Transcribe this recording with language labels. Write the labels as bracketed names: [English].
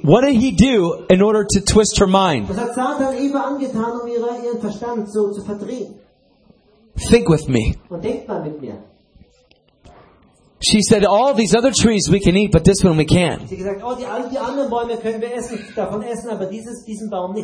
[English] What did he do in order to twist her mind? [German] Was hat Satan Eva angetan, um ihren Verstand so zu verdrehen? [English] Think with me. [German] Und denkt mal mit mir. [English] She said, all these other trees we can eat, but this one we can't. [German] Sie gesagt, oh, die anderen Bäume können wir essen, davon essen, aber diesen Baum nicht.